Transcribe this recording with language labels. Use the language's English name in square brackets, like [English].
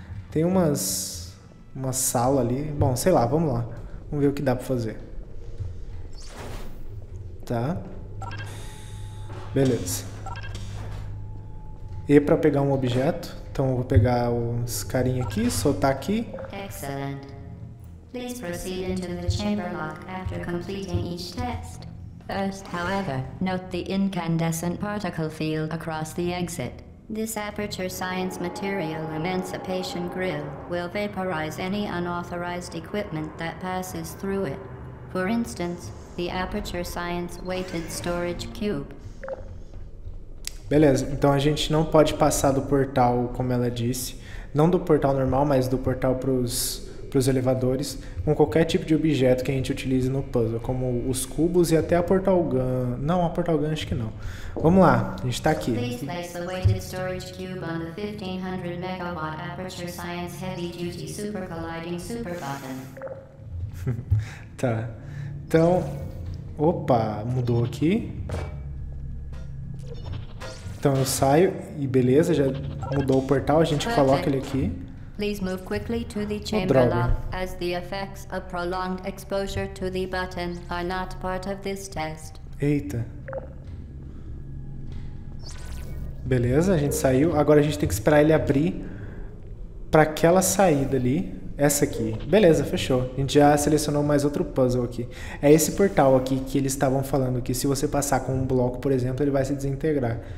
[Portuguese] Tem uma sala ali. Bom, sei lá. Vamos lá. Vamos ver o que dá pra fazer. Tá. Beleza. E pra pegar um objeto. Então eu vou pegar os carinhas aqui, soltar aqui. Excelente. [English] Please proceed into the chamber lock after completing each test. First, however, note the incandescent particle field across the exit. This Aperture Science Material Emancipation Grill will vaporize any unauthorized equipment that passes through it. For instance, the Aperture Science Weighted Storage Cube. [Portuguese] Beleza, então a gente não pode passar do portal, como ela disse. Não do portal normal, mas do portal para os elevadores, com qualquer tipo de objeto que a gente utilize no puzzle, como os cubos e até a portal gun. Não, a portal gun acho que não. Vamos lá, a gente tá aqui. [English] Please place the weighted storage cube on the 1500 megawatt Aperture Science Heavy Duty Super Colliding Super Button. [Portuguese] Tá. Então, opa, mudou aqui. Então eu saio e beleza, já mudou o portal, a gente coloca ele aqui. [English] Please move quickly to the chamber lock, as the effects of prolonged exposure to the button are not part of this test. [Portuguese] Eita. Beleza, a gente saiu. Agora a gente tem que esperar ele abrir para aquela saída ali. Essa aqui. Beleza, fechou. A gente já selecionou mais outro puzzle aqui. É esse portal aqui que eles estavam falando que se você passar com um bloco, por exemplo, ele vai se desintegrar.